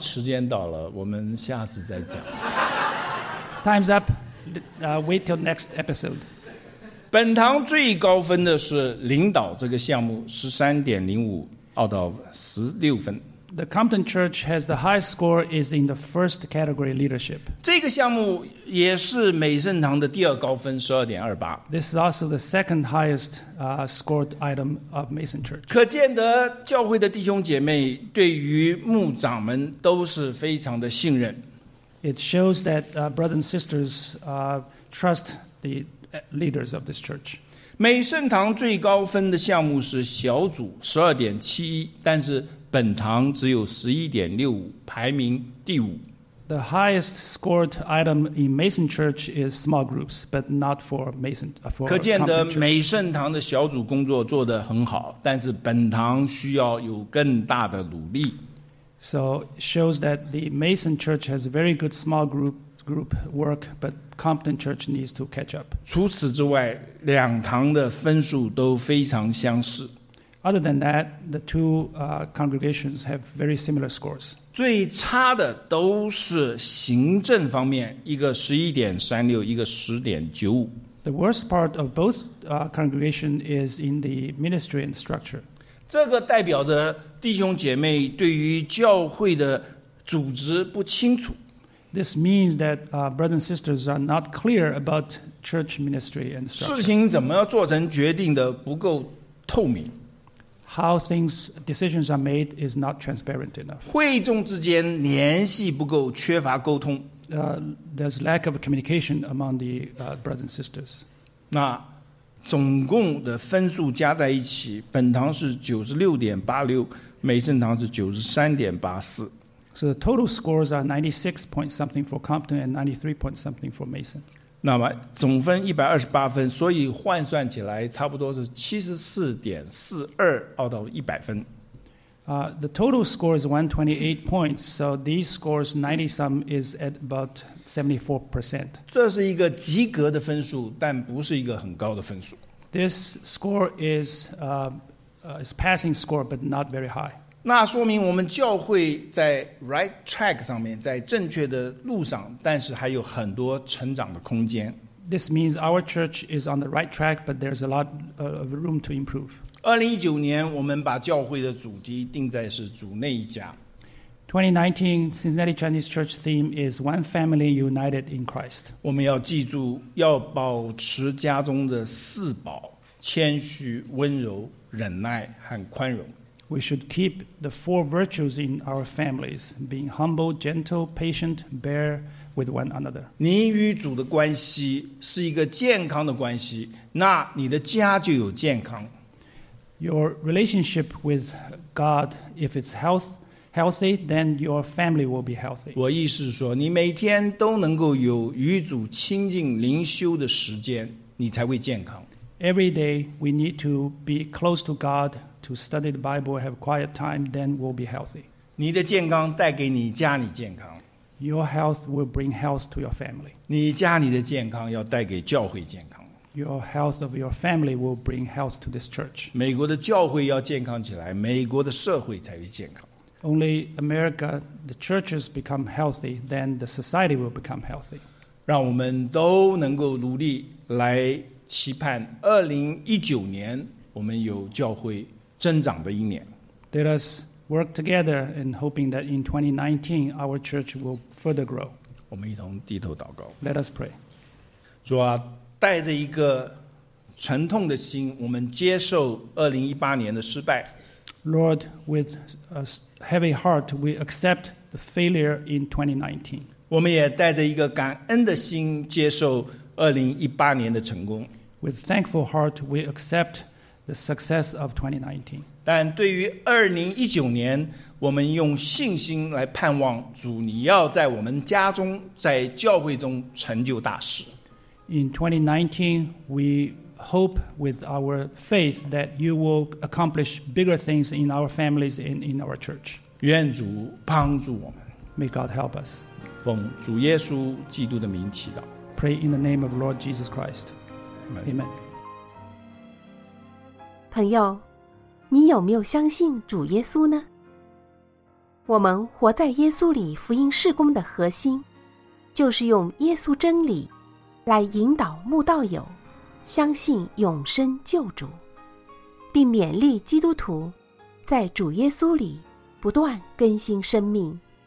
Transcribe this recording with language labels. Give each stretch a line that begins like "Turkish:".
Chinese: 时间到了，我们下次再讲。
English: Time's up. Wait till next episode.
Chinese: 本堂最高分的是领导这个项目 ,13.05
English: out of
Chinese: 16分。
English: The Compton Church has the highest score is in the first category leadership.
Chinese: 这个项目也是美圣堂的第二高分 ,12.28。
English: This is also the second highest scored item of Mason Church.
Chinese: 可见得教会的弟兄姐妹对于牧长们都是非常的信任。
English: It shows that brothers and sisters trust the leaders of this church.
Chinese: 美圣堂最高分的项目是小组 ,12.71, 但是本堂只有 11.65, 排名第五。
English: The highest scored item in Mason Church is small groups, but not for Mason.
Chinese: 可见得美圣堂的小组工作做得很好，但是本堂需要有更大的努力。
English: So it shows that the Mason Church has a very good small group work, but Compton Church needs to catch up.
Chinese: 除此之外，两堂的分数都非常相似。
English: Other than that, the two congregations have very similar scores.
Chinese: 最差的都是行政方面，一个 11.36, 一个 10.95.
English: The worst part of both congregations is in the ministry and structure.
Chinese: 这个代表着弟兄姐妹对于教会的组织不清楚。
English: This means that brothers and sisters are not clear about church ministry and structure.
Chinese: 事情怎么做成决定的不够透明。
English: How things decisions are made is not transparent enough.
Chinese: 会众之间联系不够，缺乏沟通。
English: There's lack of communication among the brothers and sisters.
Chinese: 那总共的分数加在一起，本堂是 96.86， 美圣堂是 93.84。
English: So the total scores are 96 point something for Compton and 93 point something for Mason.
Chinese: 那么总分128分，所以换算起来差不多是 74.42
English: out of
Chinese: 100分。
English: The total score is 128 points, so these scores 90 some is at about 74%.
Chinese: 这是一个及格的分数，但不是一个很高的分数。
English: This score is is passing score, but not very high.
Chinese: 那说明我们教会在
English: right track
Chinese: 上面，在正确的路上，但是还有很多成长的空间。
English: This means our church is on the right track, but there's a lot of room to improve.
Chinese: 2019年，我们把教会的主题定在是主内一家。
English: 2019 Cincinnati Chinese Church theme is One Family United in Christ.
Chinese: 我们要记住，要保持家中的四宝：谦虚、温柔、忍耐和宽容。
English: We should keep the four virtues in our families, being humble, gentle, patient, bear with one another.
Chinese: 你与主的关系是一个健康的关系，那你的家就有健康。
English: Your relationship with God, if it's healthy, then your family will be healthy.
Chinese: 我意思是说，你每天都能够有与主亲近灵修的时间，你才会健康。
English: Every day we need to be close to God, to study the Bible, have quiet time, then we'll be healthy.
Chinese: 你的健康带给你家里健康。
English: Your health will bring health to your family.
Chinese: 你家里的健康要带给教会健康。
English: Your health of your family will bring health to this church.
Chinese: 美国的教会要健康起来，美国的社会才会健康。
English: Only America, the churches become healthy, then the society will become healthy.
Chinese: 让我们都能够努力来期盼2019年我们有教会增长的一年。
English: Let us work together in hoping that in 2019 our church will further grow.
Chinese: 我们一同低头祷告。
English: Let us pray.
Chinese: 主啊，带着一个沉痛的心，我们接受2018年的失败。
English: Lord, with a heavy heart, we accept the failure in 2019.
Chinese: 我们也带着一个感恩的心接受2018年的成功。
English: With thankful heart, we accept the success of 2019.
Chinese: 但对于2019年，我们用信心来盼望主，你要在我们家中，在教会中成就大事。
English: In 2019, we hope with our faith that you will accomplish bigger things in our families and in our church.
Chinese: 愿主帮助我们。
English: May God help us.
Chinese: 奉主耶稣基督的名祈祷。
English: Pray in the name of Lord Jesus Christ. Amen.
Chinese: 朋友，你有没有相信主耶稣呢？我们活在耶稣里福音事工的核心，就是用耶稣真理来引导慕道友相信永生救主，并勉励基督徒在主耶稣里不断更新生命。